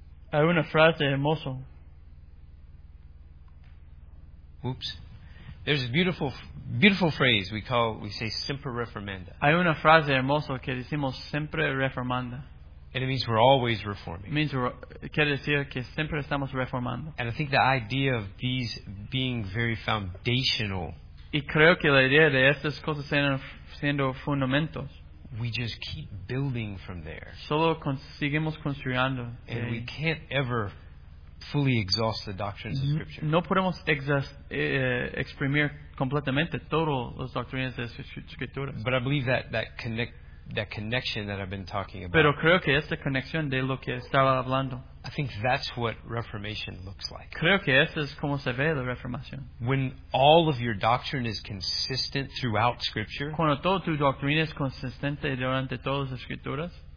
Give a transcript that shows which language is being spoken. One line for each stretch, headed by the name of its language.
Spanish: Hay una frase hermosa.
English: Oops. There's a beautiful phrase we say semper reformanda.
Spanish: Hay una frase hermosa que decimos siempre reformanda.
English: And it means we're always reforming.
Spanish: Means quiere decir que siempre estamos reformando.
English: And I think the idea of these being very foundational.
Spanish: Y creo que la idea de estas cosas siendo fundamentos.
English: We just keep building from there.
Spanish: Solo seguimos construyendo.
English: And we can't ever fully exhaust the doctrines of Scripture.
Spanish: No podemos exprimir completamente todas las doctrinas de Escritura.
English: But I believe that connection that I've been talking about.
Spanish: Pero creo que esta conexión de lo que estaba hablando.
English: I think that's what Reformation looks like.
Spanish: Creo que eso es como se ve la Reformación.
English: When all of your doctrine is consistent throughout Scripture.
Spanish: Cuando toda tu doctrina es consistente durante todas las Escrituras.